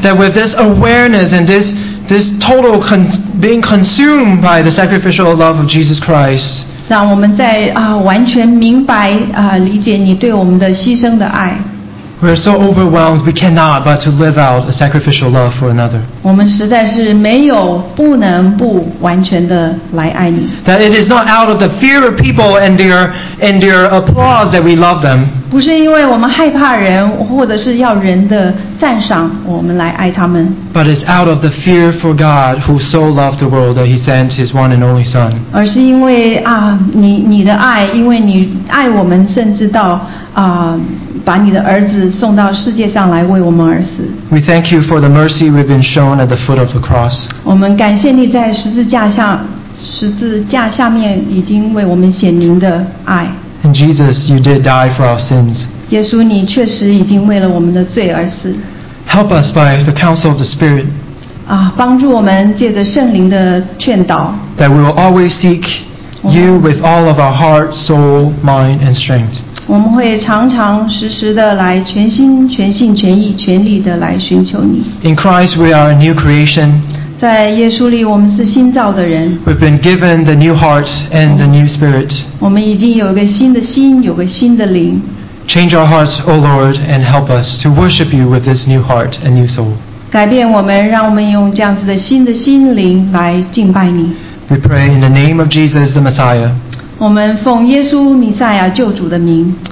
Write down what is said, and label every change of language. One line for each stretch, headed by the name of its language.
English: That with this awareness and this total being consumed by the sacrificial love of Jesus Christ.
Chinese: 让我们在完全明白理解你对我们的牺牲的爱。
English: We are so overwhelmed, we cannot but to live out a sacrificial love for another.
Chinese: 我们实在是没有不能不完全的来爱你。
English: That it is not out of the fear of people and their applause that we love them.
Chinese: 不是因为我们害怕人，或者是要人的赞赏，我们来爱他们。
English: But it's out of the fear for God, who so loved the world that He sent His one and only Son.
Chinese: 而是因为你的爱，因为你爱我们，甚至到把你的儿子送到世界上来为我们而死。
English: We thank you for the mercy we've been shown at the foot of the cross.
Chinese: 我们感谢你在十字架下面已经为我们显明的爱。
English: And Jesus, you did die for our sins.
Chinese: 耶稣，你确实已经为了我们的罪而死。
English: Help us by the counsel of the Spirit.
Chinese: 帮助我们借着圣灵的劝导。
English: That we will always seek you with all of our heart, soul, mind, and strength.
Chinese: 我们会常常时时的来全心全性全意全力的来寻求你。
English: In Christ we are a new creation.
Chinese: 在耶稣里我们是新造的人。
English: We've been given the new heart and the new spirit.
Chinese: 我们已经有个新的心，有个新的灵。
English: Change our hearts, O Lord, and help us to worship you with this new heart and new soul.
Chinese: 改变我们，让我们用这样子的新的心灵来敬拜你。
English: We pray in the name of Jesus the Messiah.
Chinese: 我们奉耶稣弥赛亚救主的名。